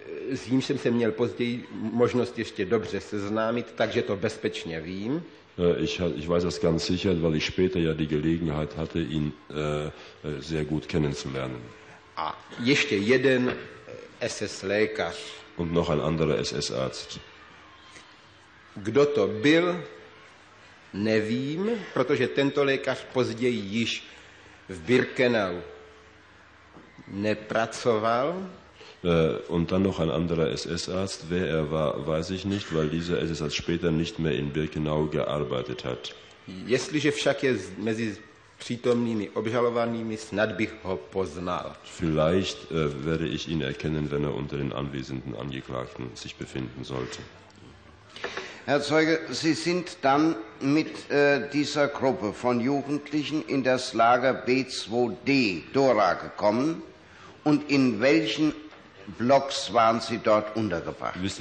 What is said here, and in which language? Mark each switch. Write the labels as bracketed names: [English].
[Czech] s ním jsem se měl později možnost ještě dobře seznámit, takže to bezpečně vím. [German] Ich weiß das ganz sicher, weil ich später ja die Gelegenheit hatte, ihn sehr gut kennenzulernen. [Czech] A ještě jeden SS-lékař. [German] Und noch ein anderer SS-Arzt. [Czech] Kdo to byl, nevím, protože tento lékař později již v Birkenau nepracoval. [German] Und dann noch ein anderer SS-Arzt. Wer er war, weiß ich nicht, weil dieser SS-Arzt später nicht mehr in Birkenau gearbeitet hat. [Czech] Jestliže však je mezi přítomnými obžalovanými, snad bych ho poznal. [German] Vielleicht werde ich ihn erkennen, wenn er unter den anwesenden Angeklagten sich befinden sollte. Herr Zeuge, Sie sind dann mit dieser Gruppe von Jugendlichen in das Lager B2D Dora gekommen und in welchen Blocks waren Sie dort untergebracht?